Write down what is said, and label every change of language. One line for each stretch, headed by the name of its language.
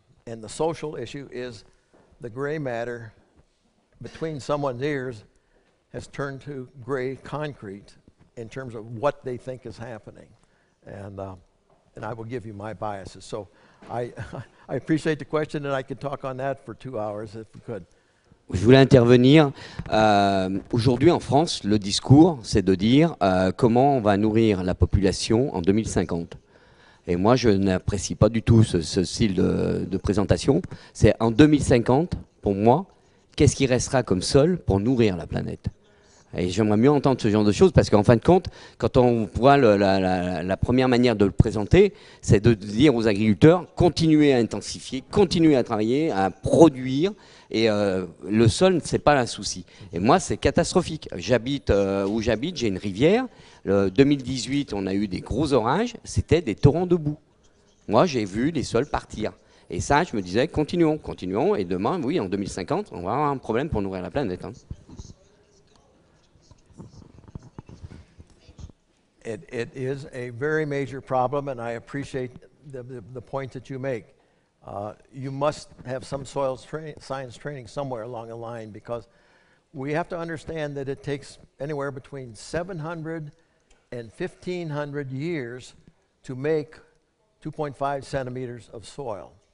English: And the social issue is the gray matter between someone's ears has turned to gray concrete in terms of what they think is happening. And I will give you my biases. So I appreciate the question, and I could talk on that for 2 hours if we could.
French: Je voulais intervenir. Aujourd'hui, en France, le discours, c'est de dire comment on va nourrir la population en 2050. Et moi, je n'apprécie pas du tout ce style de présentation. C'est en 2050, pour moi, qu'est-ce qui restera comme sol pour nourrir la planète ? Et j'aimerais mieux entendre ce genre de choses, parce qu'en fin de compte, quand on voit la première manière de le présenter, c'est de dire aux agriculteurs, continuez à intensifier, continuez à travailler, à produire, et le sol, c'est pas un souci. Et moi, c'est catastrophique. J'habite où j'habite, j'ai une rivière. Le 2018, on a eu des gros orages, c'était des torrents de boue. Moi, j'ai vu les sols partir. Et ça, je me disais, continuons, et demain, oui, en 2050, on va avoir un problème pour nourrir la planète, hein.
English: It is a very major problem, and I appreciate the point that you make. You must have some soil science training somewhere along the line, because we have to understand that it takes anywhere between 700 and 1500 years to make 2.5 centimeters of soil.